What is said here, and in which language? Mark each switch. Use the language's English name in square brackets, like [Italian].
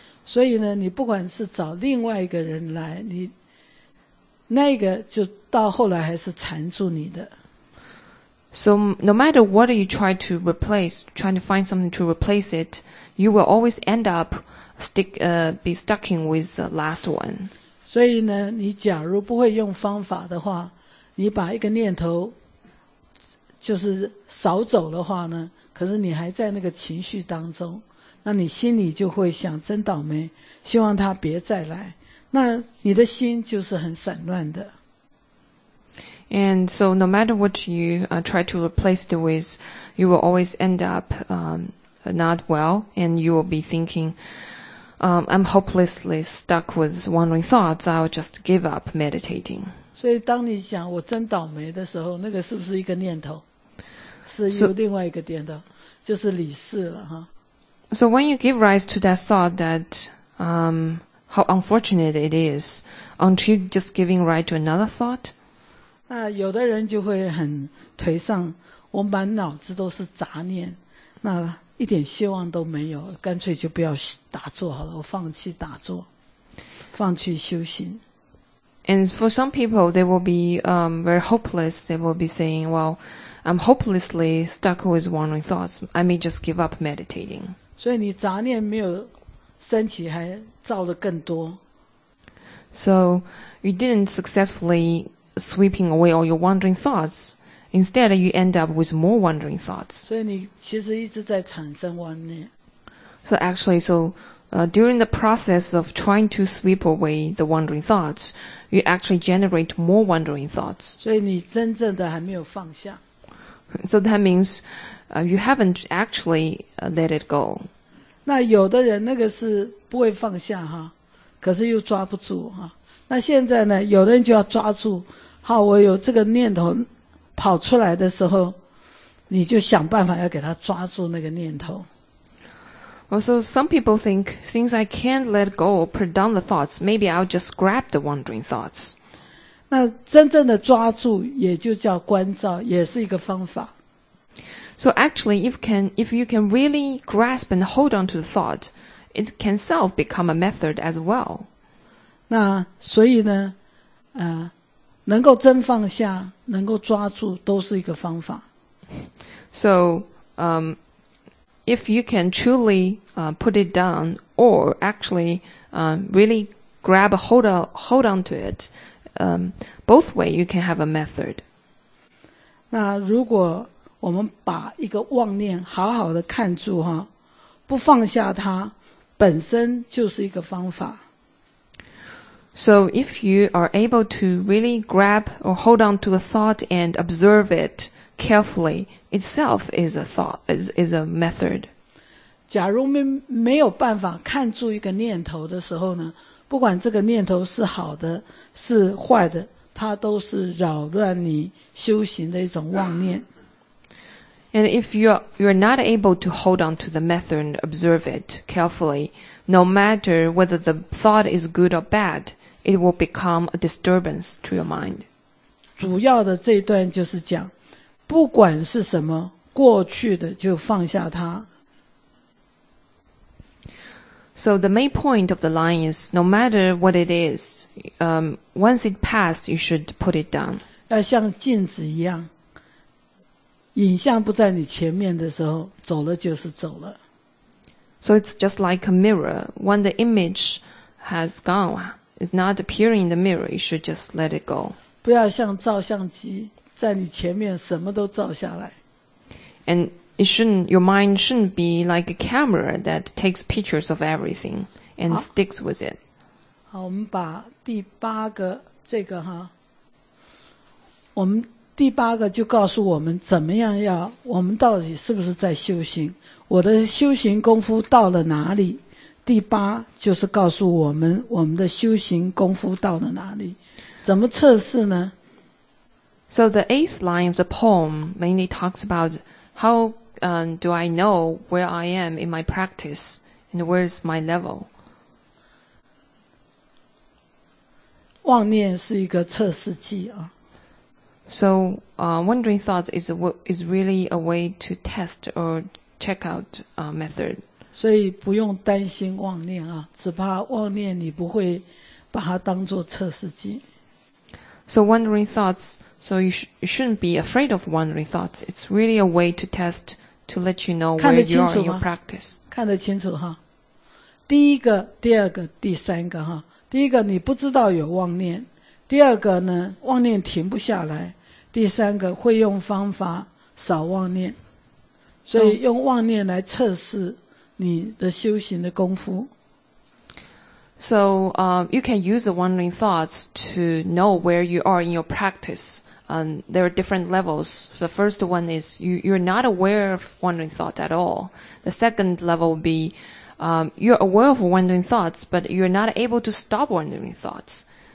[Chinese] 所以呢，你不管是找另外一个人来，你那个就到后来还是缠住你的。 [English] So no matter what you try to replace, trying to find something to replace it, you will always end up be stucking with the last one. [Chinese] 所以呢，你假如不会用方法的话，你把一个念头就是扫走的话呢，可是你还在那个情绪当中。那你心里就会想真倒霉，希望他别再来。那你的心就是很散乱的。 [English] And so no matter what you try to replace it with, you will always end up not well, and you will be thinking, I'm hopelessly stuck with wandering thoughts, I'll just give up meditating. [Chinese] 所以当你想我真倒霉的时候，那个是不是一个念头？是有另外一个念头。就是理事了哈。 [English] So when you give rise to that thought that, how unfortunate it is, aren't you just giving rise to another thought? [Chinese] 那有的人就会很颓丧，我满脑子都是杂念，那一点希望都没有，干脆就不要打坐好了，我放弃打坐，放弃修行。 [English] And for some people, they will be, very hopeless. They will be saying, well, I'm hopelessly stuck with wandering thoughts. I may just give up meditating. [Chinese] 所以你杂念没有升起，还造得更多。 [English] So you didn't successfully sweeping away all your wandering thoughts. Instead, you end up with more wandering thoughts. [Chinese] 所以你其实一直在产生妄念。 [English] So actually, so,during the process of trying to sweep away the wandering thoughts, you actually generate more wandering thoughts. [Chinese] 所以你真正的还没有放下。 [English] So that means, you haven't actually, let it go. [Chinese] 那有的人那个是不会放下哈，可是又抓不住哈。那现在呢，有的人就要抓住，好，我有这个念头跑出来的时候，你就想办法要给他抓住那个念头。 [English] Also, some people think, since I can't let go or put down the thoughts, maybe I'll just grab the wandering thoughts. [Chinese] 那真正的抓住也就叫观照，也是一个方法。 [English] So actually, if you can really grasp and hold on to the thought, it can self become a method as well. [Chinese] 那所以呢，能够真放下，能够抓住，都是一个方法。 [English] So, if you can truly, put it down or actually, really grab a hold on to it, both way you can have a method. [Chinese] 那如果我们把一个妄念好好的看住哈，不放下它，本身就是一个方法。 [English] So if you are able to really grab or hold on to a thought and observe it carefully, itself is a thought, is a method. [Chinese] 假如没有办法看住一个念头的时候呢，不管这个念头是好的是坏的，它都是扰乱你修行的一种妄念。 [English] And if you're not able to hold on to the method and observe it carefully, no matter whether the thought is good or bad, it will become a disturbance to your mind. [Chinese] 主要的这一段就是讲，不管是什么，过去的就放下它。 [English] So the main point of the line is, no matter what it is, once it passed, you should put it down. [Chinese] 要像镜子一样，影像不在你前面的时候，走了就是走了。 [English] So it's just like a mirror. When the image has gone, it's not appearing in the mirror, you should just let it go. [Chinese] 不要像照相机，在你前面什么都照下来。 [English] And it shouldn't, your mind shouldn't be like a camera that takes pictures of everything and sticks with it. [Chinese] 好，我们把第八个这个哈，我们第八个就告诉我们怎么样要，我们到底是不是在修行，我的修行功夫到了哪里。第八就是告诉我们，我们的修行功夫到了哪里，怎么测试呢？ [English] So the eighth line of the poem mainly talks about how, do I know where I am in my practice and where is my level? [Chinese] 妄念是一个测试剂啊。 [English] So, wandering thoughts is really a way to test or check out, method. [Chinese] 所以不用担心妄念啊，只怕妄念你不会把它当作测试剂。 [English] So wandering thoughts, so you shouldn't be afraid of wandering thoughts. It's really a way to test, to let you know where you are in your practice. [Chinese] 看得清楚哈，第一个、第二个、第三个哈。第一个你不知道有妄念，第二个呢妄念停不下来，第三个会用方法少妄念。所以用妄念来测试你的修行的功夫。 [English] So, you can use the wandering thoughts to know where you are in your practice. There are different levels. So the first one is you're not aware of wandering thoughts at all. The second level would be, you're aware of wandering thoughts, but you're not able to stop wandering thoughts.